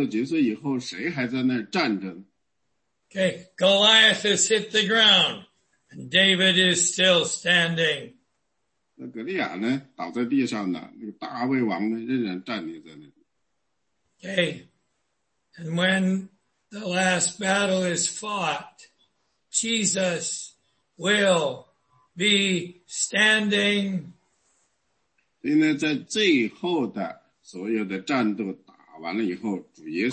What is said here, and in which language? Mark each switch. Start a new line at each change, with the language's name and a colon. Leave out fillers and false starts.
Chinese: 因为他所有的战斗结束以后，谁还在那站着呢？
English: Okay, Goliath has hit the ground, and David is still standing.
Chinese: 那格利亚呢，倒在地上呢，那个大卫王呢，仍然站立在那。
English: Okay, and when the last battle is fought, Jesus will be standing.
Chinese: 因为在最后的 所有的战斗打完了以后，主耶稣